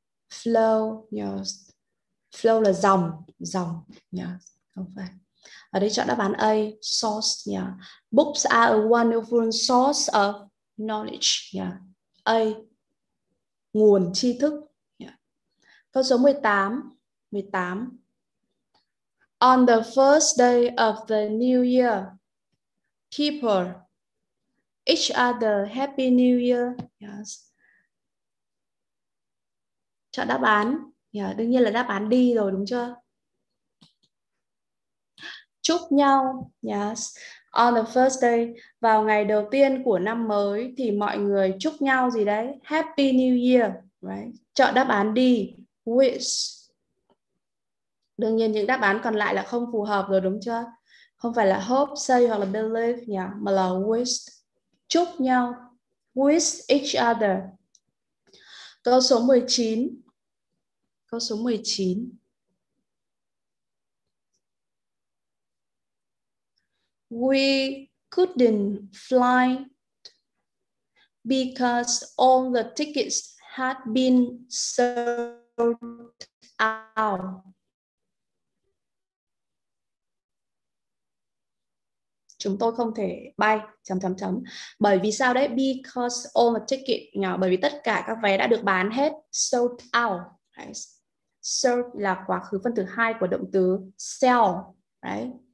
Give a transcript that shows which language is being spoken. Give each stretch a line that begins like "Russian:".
Vietnamese: Flow, flow là dòng, dòng, không phải. Ở đây chọn đáp án A, source,
English: Books are a wonderful source of knowledge,
Vietnamese: A, nguồn tri thức, Câu số 18, 18.
English: On the first day of the new year, people, each other, happy new year,
Vietnamese: Chọn đáp án. Đương nhiên là đáp án đi rồi, đúng chưa? Chúc nhau.
English: On the first day,
Vietnamese: vào ngày đầu tiên của năm mới thì mọi người chúc nhau gì đấy?
English: Happy New Year, right?
Vietnamese: Chọn đáp án đi.
English: Wish.
Vietnamese: Đương nhiên những đáp án còn lại là không phù hợp rồi, đúng chưa? Không phải là hope, say hoặc là believe mà là wish. Chúc nhau.
English: Wish each other.
Vietnamese: Câu số 19. Câu số 19.
English: We couldn't fly because all the tickets had been sold out.
Vietnamese: Chúng tôi không thể bay chấm chấm chấm. Bởi vì sao đấy?
English: Because all the tickets,
Vietnamese: bởi vì tất cả các vé đã được bán hết, sold out. Right. Sold là quá khứ phân thứ hai của động từ sell, right?